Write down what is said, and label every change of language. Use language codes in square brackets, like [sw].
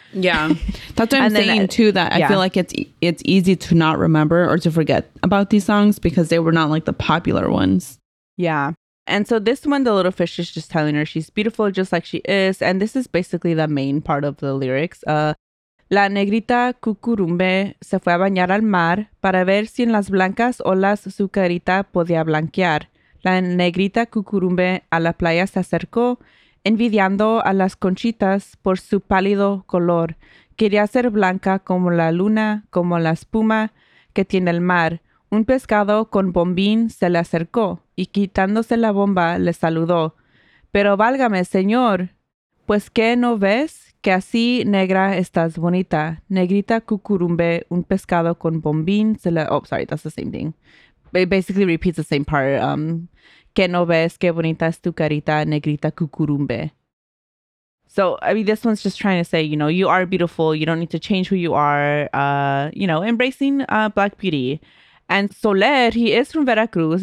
[en] Yeah. That's what I'm saying, I feel like it's easy to not remember or to forget about these songs because they were not like the popular ones. Yeah. And so this one, the little fish is just telling her she's beautiful just like she is. And this is basically the main part of the lyrics. [es] La negrita cucurumbe se fue a bañar al mar para ver si en las blancas olas su carita podía blanquear. La negrita cucurumbe a la playa se acercó, envidiando a las conchitas por su pálido color. Quería ser blanca como la luna, como la espuma que tiene el mar. Un pescado con bombín se le acercó y quitándose la bomba le saludó. Pero válgame, señor, pues que no ves que así negra estás bonita. Negrita cucurumbe, un pescado con bombín se le... [en] Oh, sorry, that's the same thing. It basically repeats the same part. [es] Que no ves que bonita es tu carita, negrita cucurumbe. [en] So, I mean, this one's just trying to say, you know, you are beautiful. You don't need to change who you are. You know, embracing black beauty. And Soler, he is from Veracruz.